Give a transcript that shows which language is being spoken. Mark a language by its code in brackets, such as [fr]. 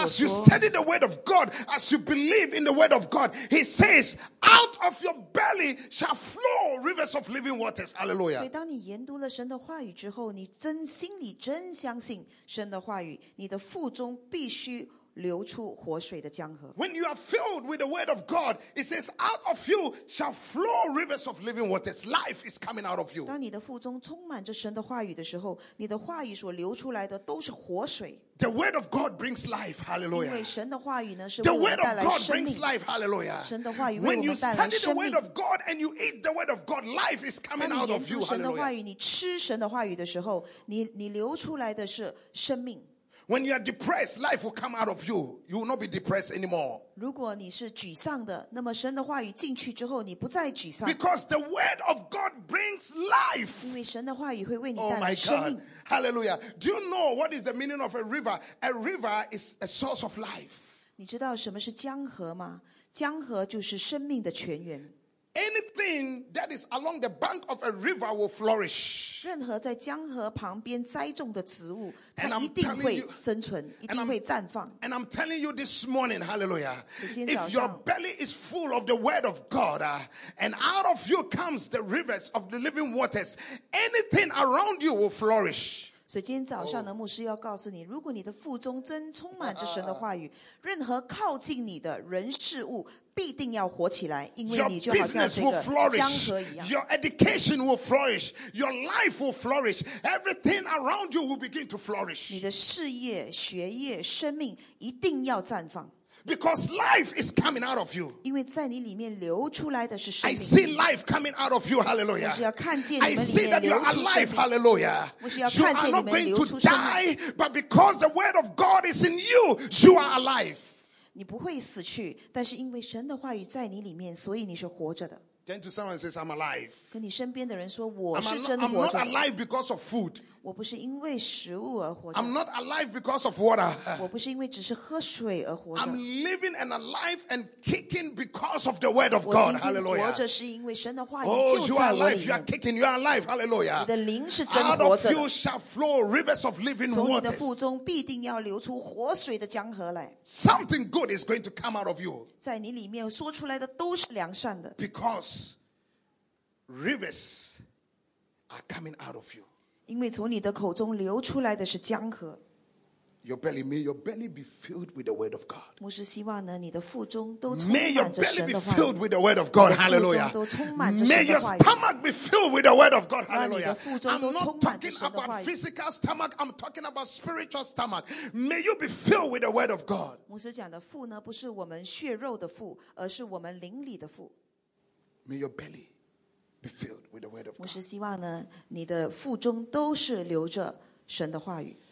[en] So as you study the word of God, as you believe in the word of God, He says, "Out of your belly shall flow rivers of living waters." Hallelujah. [zh] 所以，当你研读了神的话语之后，你真心里真相信神的话语，你的腹中必须。流出活水的江河。 [en] When you are filled with the word of God, it says, "Out of you shall flow rivers of living waters." Life is coming out of you. [zh] 当你的腹中充满着神的话语的时候，你的话语所流出来的都是活水。 [en] The word of God brings life. Hallelujah. [zh] 因为神的话语呢，是为我们带来生命。 [en] The word of God brings life. Hallelujah. [zh] 神的话语为我们带来生命。 [en] When you study the word of God and you eat the word of God, life is coming out of you. Hallelujah. [zh] 神的话语，你吃神的话语的时候，你流出来的是生命。 [en] When you are depressed, life will come out of you. You will not be depressed anymore. [zh] 如果你是沮丧的，那么神的话语进去之后，你不再沮丧。 [en] Because the word of God brings life. [zh] 因为神的话语会为你带来生命。 [en] Oh my God! Hallelujah! Do you know what is the meaning of a river? A river is a source of life. [zh] 你知道什么是江河吗？江河就是生命的泉源。 [en] Anything that is along the bank of a river will flourish. [zh] 任何在江河旁边栽种的植物，它一定会生存，一定会绽放。 [en] And I'm telling you this morning, hallelujah. If your belly is full of the word of God, and out of you comes the rivers of the living waters, anything around you will flourish. [zh] 所以今天早上呢，牧师要告诉你，如果你的腹中真充满着神的话语，任何靠近你的人事物。必定要活起来，因为你就好像这个江河一样。 [en] Your education will flourish. Your life will flourish. Everything around you will begin to flourish. [zh] 你的事业、学业、生命一定要绽放。 [en] Because life is coming out of you. [zh] 因为在你里面流出来的是生命。 [en] I see life coming out of you. Hallelujah. [zh] 我是要看见你们里面流出生命。 [en] I see that you are alive. Hallelujah. [zh] 我是要看见你们流出生命。 [en] You are not going to die, but because the word of God is in you, you are alive. [zh] 你不会死去，但是因为神的话语在你里面，所以你是活着的。 [en] Turn to someone and says, "I'm alive." [zh] 跟你身边的人说，我是真的活着。 [en] I'm not alive because of food. [zh] 我不是因为食物而活着。 [en] I'm not alive because of water. [zh] 我不是因为只是喝水而活着。 [en] I'm living and alive and kicking because of the word of God. Hallelujah. [zh] 我今天活着是因为神的话语就在我里面。 [en] Oh, you are alive. You are kicking. You are alive. Hallelujah. [zh] 你的灵是真活着的。 [en] Out of you shall flow rivers of living waters. [zh] 从你的腹中必定要流出活水的江河来。 [en] Something good is going to come out of you. [zh] 在你里面说出来的都是良善的。 [en] Because rivers are coming out of you. [zh] 因为从你的口中流出来的是江河。 [en] Your belly, may your belly be filled with the word of God. [zh] 牧师希望呢，你的腹中都充满着神的话语。 [en] May your belly be filled with the word of God. Hallelujah. [zh] 都充满着神的话语。 [en] May your stomach be filled with the word of God. Hallelujah. [zh] 让你的腹中都充满着神的话语。 [en] I'm not talking about physical stomach. I'm talking about spiritual stomach. May you be filled with the word of God. [zh] 牧师讲的腹呢，不是我们血肉的腹，而是我们灵里的腹。 [en] May your belly be filled with the word of God. [zh] 牧师希望呢，你的腹中都是流着神的话语。